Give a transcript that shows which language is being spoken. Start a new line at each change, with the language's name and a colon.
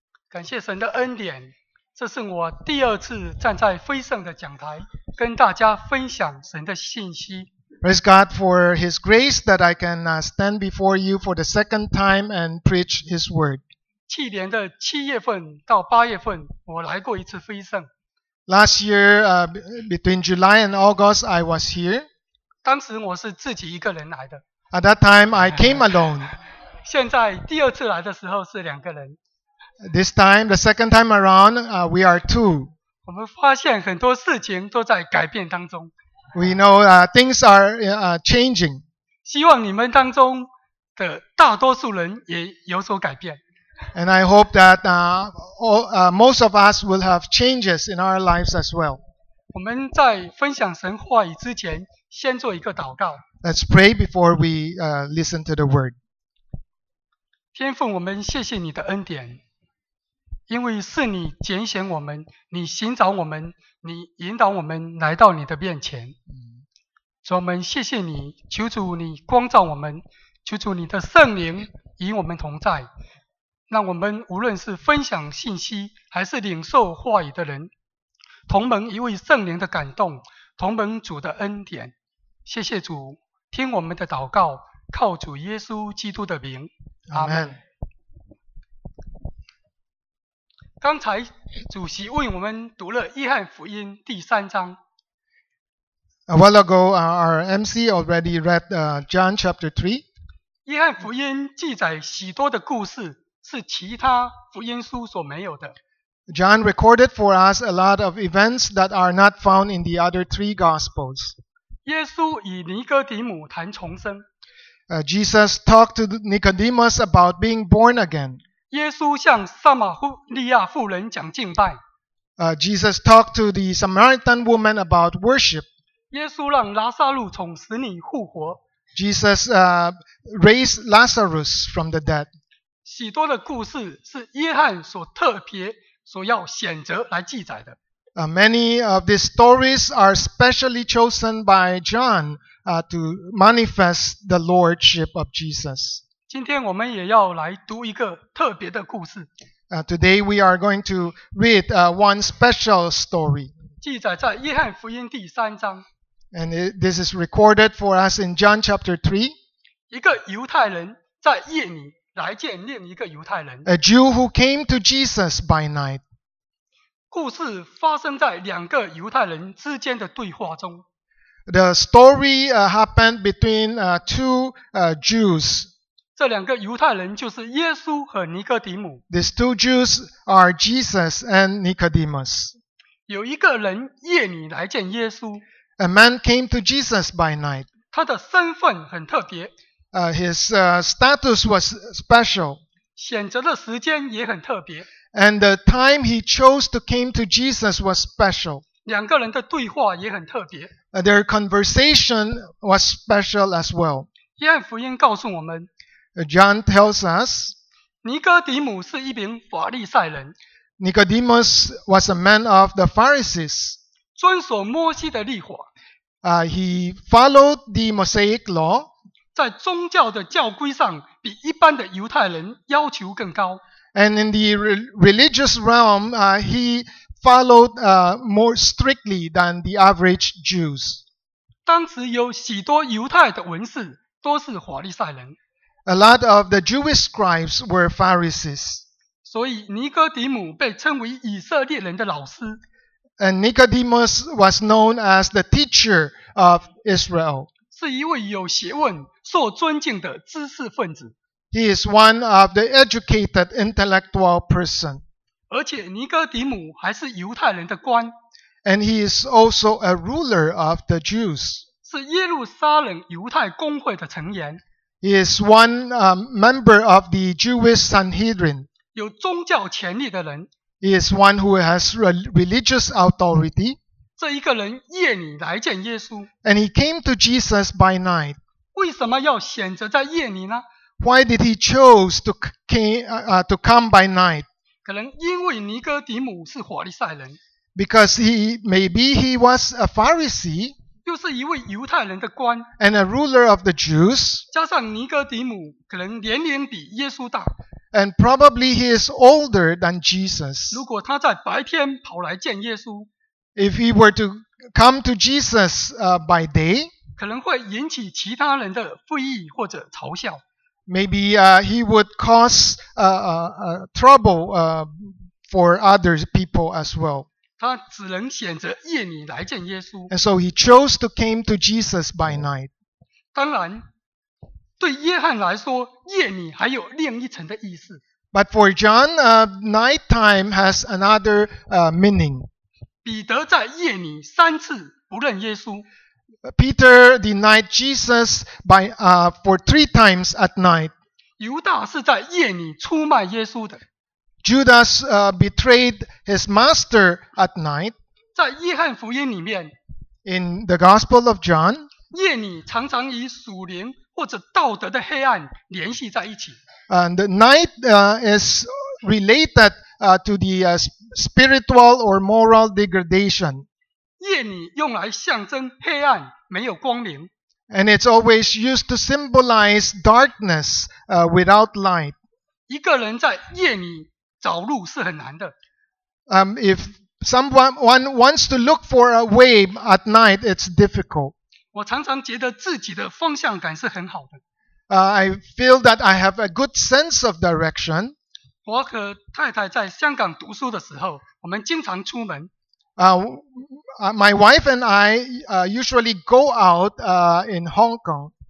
Chinese: 感谢神的恩典，这是我第二次站在非圣的讲台，跟大家分享神的信息。
English: Praise God for His grace that I can stand before you for the second time and preach His word.
Chinese: 去年的七月份到八月份，我来过一次非圣。
English: Last year, between July and August, I was here.
Chinese: 当时我是自己一个人来的。
English: At that time, I came alone.
Chinese: 现在第二次来的时候是两个人。
English: This time, the second time around, we are two.
Chinese: 我们发现很多事情都在改变当中。
English: We know things are changing.
Chinese: 希望你们当中的大多数人也有所改变。
English: And I hope that most of us will have changes in our lives as well.
Chinese: 我们在分享神话语之前，先做一个祷告。
English: Let's pray before we listen to the word.
Chinese: 天父，我们谢谢你的恩典，因为是你拣选我们，你寻找我们，你引导我们来到你的面前。主，我们谢谢你，求主你光照我们，求主你的圣灵与我们同在。让我们无论是分享信息还是领受话语的人，同蒙一位圣灵的感动，同蒙主的恩典。谢谢主，听我们的祷告，靠主耶稣基督的名，阿们。刚才主席为我们读了约翰福音第三章。
English: A while ago, our MC already read John chapter 3.
Chinese: 约翰福音记载许多的故事，是其他福音书所没有的。
English: John recorded for us a lot of events that are not found in the other three Gospels.
Chinese: 耶稣与尼哥底母谈重生。
English: Jesus talked to Nicodemus about being born again.
Chinese: 耶稣向撒玛利亚妇人讲敬拜。
English: Jesus talked to the Samaritan woman about worship.
Chinese: 耶稣让拉撒路从死里复活。
English: Jesus raised Lazarus from the dead.
Chinese: 许多的故事是约翰所特别所要选择来记载的。
English: Many of these stories are specially chosen by John to manifest the lordship of Jesus.
Chinese: 今天我们也要来读一个特别的故事。
English: Today we are going to read one special story.
Chinese: 记载在约翰福音第三章。
English: And this is recorded for us in John chapter 3.
Chinese: 一个犹太人在夜里来见另一个犹太人。
English: A Jew who came to Jesus by night.
Chinese: 故事发生在两个犹太人之间的对话中。
English: The story happened between two Jews.
Chinese: 这两个犹太人就是耶稣和尼哥底母。
English: These two Jews are Jesus and Nicodemus.
Chinese: 有一个人夜里来见耶稣。
English: A man came to Jesus by night.
Chinese: 他的身份很特别。
English: His status was special.
Chinese: 选择的时间也很特别。
English: And the time he chose to came to Jesus was special.
Chinese: 两个人的对话也很特别。
English: Their conversation was special as well.
Chinese: 约翰福音告诉我们。
English: John tells us.
Chinese: 尼哥底母是一名法利赛人。
English: Nicodemus was a man of the Pharisees.
Chinese: 遵守摩西的律法。
English: He followed the Mosaic law.
Chinese: 在宗教的教规上比一般的犹太人要求更高。
English: And in the religious realm, he followed more strictly than the average Jews.
Chinese: 当时有许多犹太的文士都是法利赛人。
English: A lot of the Jewish scribes were Pharisees.
Chinese: 所以尼哥底母被称为以色列人的老师。
English: And Nicodemus was known as the teacher of Israel.
Chinese: 是一位有学问、受尊敬的知识分子。
English: He is one of the educated intellectual person.
Chinese: 而且尼哥底母还是犹太人的官。
English: And he is also a ruler of the Jews.
Chinese: 是耶路撒冷犹太公会的成员。
English: He is one member of the Jewish Sanhedrin.
Chinese: 有宗教权力的人。
English: He is one who has religious authority.
Chinese: 这一个人夜里来见耶稣。
English: And he came to Jesus by night.
Chinese: 为什么要选择在夜里呢？
English: Why did he choose to come by night?
Chinese: 可能因为尼哥底母是法利赛人。
English: Because he was a Pharisee.
Chinese: 又是一位犹太人的官
English: and a ruler of the Jews,
Chinese: 加上尼哥底母可能年龄比耶稣大
English: and probably he is older than Jesus.
Chinese: 如果他在白天跑来见耶稣
English: if he were to come to Jesus, by day,
Chinese: 可能会引起其他人的不义或者嘲笑
English: maybe, he would cause, trouble, for other people as well.
Chinese: 他只能选择夜里来见耶稣。
English: And so he chose to came to Jesus by night.
Chinese: 当然，对约翰来说，夜里还有另一层的意思。
English: But for John, night time has another meaning.
Chinese: 彼得在夜里三次不认耶稣。
English: Peter denied Jesus by for three times at night.
Chinese: 犹大是在夜里出卖耶稣的。
English: Judas betrayed his master at night.
Chinese: 在约翰福音里面
English: in the Gospel of John,
Chinese: 夜里常常与属灵或者道德的黑暗联系在一起。
English: And the night is related to the spiritual or moral degradation.
Chinese: 夜里用来象征黑暗，没有光明。
English: And it's always used to symbolize darkness without light.
Chinese: 一个人在夜里找路是很难的。
English: If someone wants to look for a way at night, it's difficult.
Chinese: 我常常觉得自己的方向感是很好的。
English: I feel that I have a good sense of direction.
Chinese: 我和太太在香港读书的时候，我们经常出门。
English: My wife and I usually go out in Hong Kong.